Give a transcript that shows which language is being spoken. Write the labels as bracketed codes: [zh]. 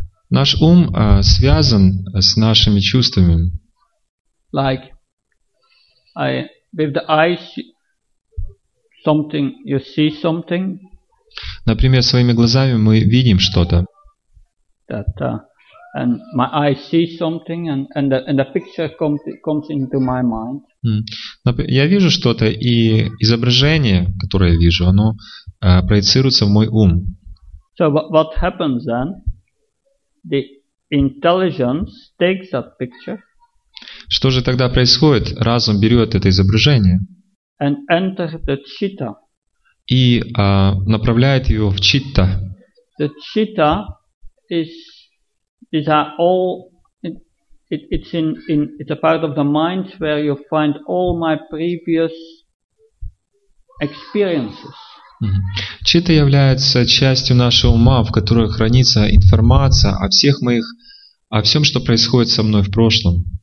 [ru] Наш ум связан с нашими чувствами. Например, своими глазами мы видим что-то. [en] And my eye sees something, and the picture comes into my mind. [ru] Я вижу что-то, и изображение, которое я вижу, оно проецируется в мой ум. [en] So what happens then? The intelligence takes that picture. [ru] Что же тогда происходит? Разум берет это изображение. [en] And enter the citta. [ru] и направляет его в читта. [en] The citta is a all it's a part of the mind where you find all my previous experiences. [ru] Читта является частью нашего ума, в которой хранится информация о всех моих, о всем, что происходит со мной в прошлом.